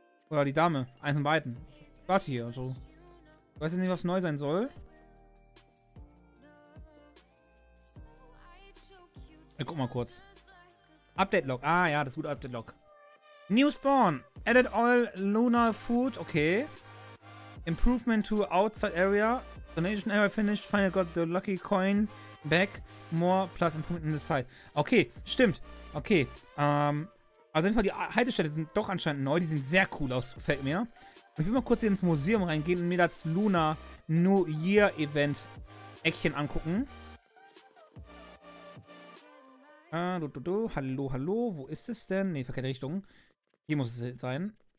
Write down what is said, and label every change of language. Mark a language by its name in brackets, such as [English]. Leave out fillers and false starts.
[German] Oder die Dame. Eins von beiden. Warte hier, also. Ich weiß jetzt nicht, was neu sein soll. Ich guck mal kurz. Update-Log. Ah ja, das gute Update-Log. [English] New Spawn. Added all lunar food. Okay. Improvement to outside area. Donation area finished. Finally got the lucky coin back. More plus improvement in the side. [German] Okay, stimmt. Okay. Also jedenfalls, die Haltestelle sind doch anscheinend neu. Die sehen sehr cool aus, gefällt mir. Ich will mal kurz hier ins Museum reingehen und mir das Luna New Year Event Eckchen angucken. Hallo, hallo. Wo ist es denn? Ne, verkehrte Richtung. Hier muss es sein.